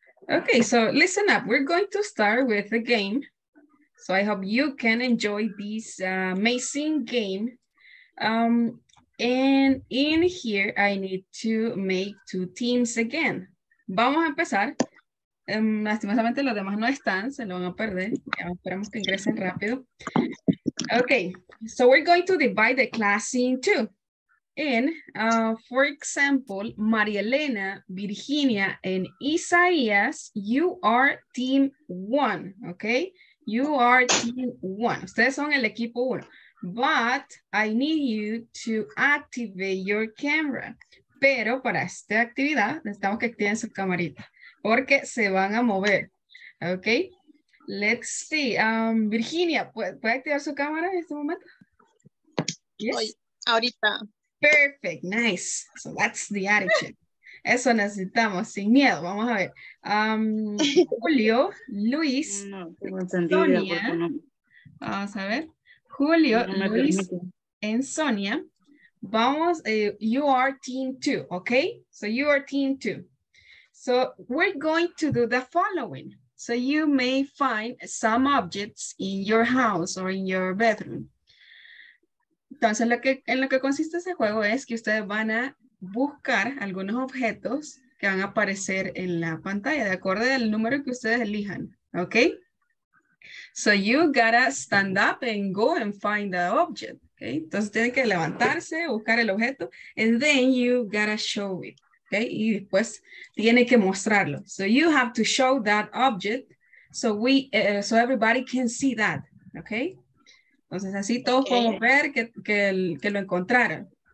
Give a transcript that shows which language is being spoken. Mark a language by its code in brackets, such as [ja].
[en] Okay, so listen up. We're going to start with a game. So I hope you can enjoy this amazing game. And in here, I need to make two teams again. [es] Vamos a empezar. Lastimosamente los demás no están, se lo van a perder. Ya, esperamos que ingresen rápido. [en] Okay, so we're going to divide the class in two. And for example, María Elena, Virginia, and Isaías, you are team one, okay? You are team one. [es] Ustedes son el equipo uno. [en] But I need you to activate your camera. [es] Pero para esta actividad, necesitamos que activen su camarita. Porque se van a mover. Ok. [en] Let's see. [es] Virginia, ¿puede activar su cámara en este momento? Yes. Ahorita. [en] Perfect. Nice. So that's the attitude. [es] Eso necesitamos. Sin miedo. Vamos a ver. Julio, Luis, Sonia. Vamos a ver. Julio, Luis, and Sonia. Vamos. [en] You are team two. Ok. So you are team two. So we're going to do the following. So you may find some objects in your house or in your bedroom. [es] Entonces, en lo que consiste ese juego es que ustedes van a buscar algunos objetos que van a aparecer en la pantalla de acuerdo al número que ustedes elijan, okay? [en] So you gotta stand up and go and find the object, okay? [es] Entonces, tienen que levantarse, buscar el objeto, [en] and then you gotta show it. Okay, [es] y después tiene que mostrarlo. [en] So you have to show that object so we so everybody can see that. Okay. [es] Entonces así todos podemos ver que lo encontraron.